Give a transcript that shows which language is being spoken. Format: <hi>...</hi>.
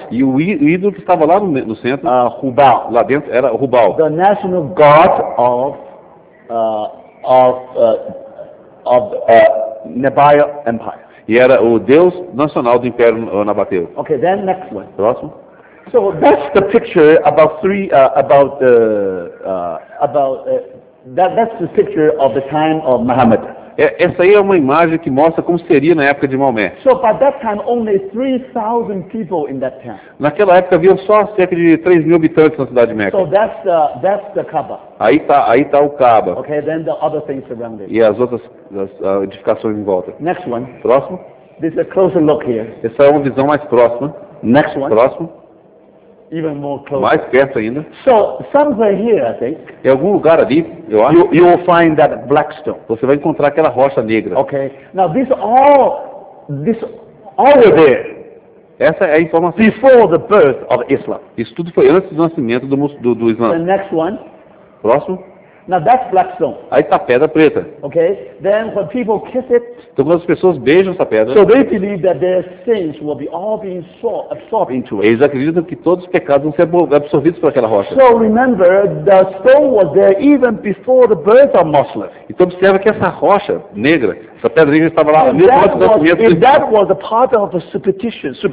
<pt>E o ídolo que estava lá no centro. Rubal. Lá dentro era Rubal.</pt> <en>The national god of Nabaioth Empire.</en> <pt>E era o deus nacional do Império Nabateu.</pt> <en>Okay, then next one.</en> <pt>Próximo.</pt> <en>So that's the picture that's the picture of the time of Muhammad.</en> <pt>Essa aí é uma imagem que mostra como seria na época de Maomé.</pt> <en>So by that time only 3,000 people in that town.</en> <pt>Naquela época havia só cerca de 3,000 habitantes na cidade de Meca.</pt> <en>So that's the Kaaba.</en> <pt>Aí tá o Kaaba.</pt> <en>Okay, then the other things around it.</en> <pt>E as outras edificações em volta.</pt> <en>Next one.</en> <pt>Próximo.</pt> <en>This is a closer look here.</en> <pt>Essa é uma visão mais próxima.</pt> <en>Next one.</en> <pt>Próximo.</pt> <en>Even more close.</en> <pt>Mais perto ainda.</pt> <en>So somewhere here, I think.</en> <pt>Em algum lugar ali, eu acho.</pt> <en>You will find that black stone.</en> <pt>Você vai encontrar aquela rocha negra.</pt> <en>Okay. Now this all were there.</en> <pt>Essa é a informação.</pt> <en>Before the birth of Islam.</en> <pt>Isso tudo foi antes do nascimento do Islã.</pt> <en>The next one.</en> <pt>Próximo.</pt> <en>Now that's black stone.</en> <pt>Aí está pedra preta.</pt> <en>Okay. Then when people kiss it.</en> <pt>Então quando as pessoas beijam essa pedra.</pt> <en>So they believe that their sins will be all being absorbed into it.</en> <pt>Eles acreditam que todos os pecados vão ser absorvidos por aquela rocha.</pt> <en>So remember, the stone was there even before the birth of Muslim.</en> <pt>Então observa que essa rocha negra, essa pedra negra estava lá mesmo antes do nascimento.</pt> <en>If that was a part of a superstition.</en>